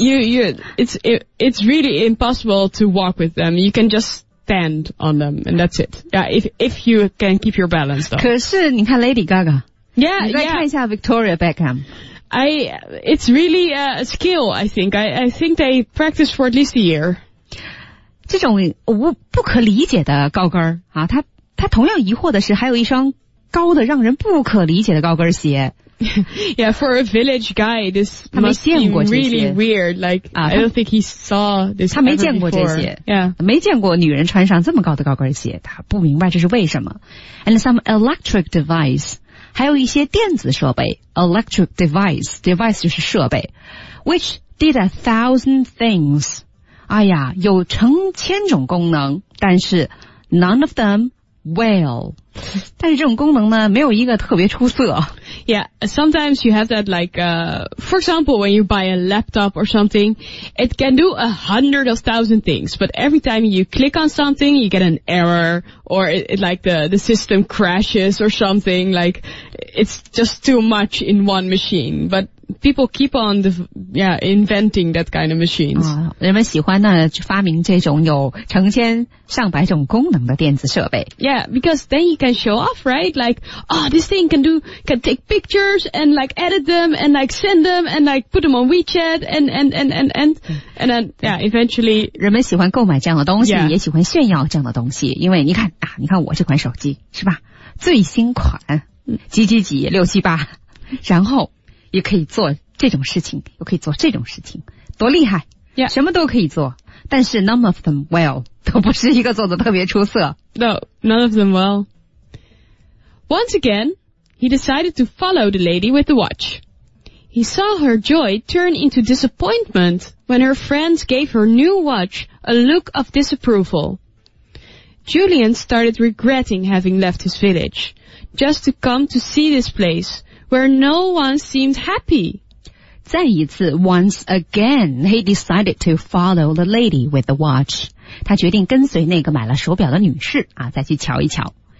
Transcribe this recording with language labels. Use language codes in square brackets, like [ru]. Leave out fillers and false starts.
[en] It's really impossible to walk with them. You can just... stand on them, and that's it. Yeah, if you can keep your balance, though. [zh] 可是你看 Lady Gaga. [en] Yeah, yeah. [zh] 你再看一下 Victoria Beckham. [en] It's really a skill, I think. I think they practice for at least a year. [zh] 这种不可理解的高跟啊，他同样疑惑的是，还有一双高的让人不可理解的高跟鞋。 [en] Yeah, for a village guy, this must be really weird. Like, I don't think he saw this. [zh] 他没见过这些。 [en] Yeah. [zh] 没见过女人穿上这么高的高跟鞋，他不明白这是为什么。 [en] And some electric device, [zh] 还有一些电子设备。 [en] Electric device, device [zh] 就是设备。 [en] Which did 1,000 things. [zh] 哎呀，有成千种功能，但是 [en] none of them. [zh] Well, 但是这种功能呢没有一个特别出色。 [en] Yeah, sometimes you have that like, for example, when you buy a laptop or something, it can do 100,000 things, but every time you click on something, you get an error, or it like the system crashes or something, like, it's just too much in one machine, but people keep on inventing that kind of machines. [zh] 人们喜欢呢发明这种有成千上百种功能的电子设备。 [en] Yeah, because then you can show off, right? Like, oh, this thing can take pictures and like edit them and like send them and like put them on WeChat and then eventually. [zh] 人们喜欢购买这样的东西、也喜欢炫耀这样的东西。因为你看我这款手机是吧最新款几几几六七八然后也可以做这种事情又可以做这种事情多厉害、 [en] yeah. [zh] 什么都可以做但是 [en] none of them well [zh] 都不是一个做得特别出色 [en] No, none of them well Once again he decided to follow the lady with the watch He saw her joy turn into disappointment when her friends gave her new watch a look of disapproval Julian started regretting having left his village just to come to see this placeWhere no one seemed happy. [zh] 再一次 [en] once again, he decided to follow the lady with the watch. [zh] 他决定跟随那个买了手表的女士啊，再去瞧一瞧。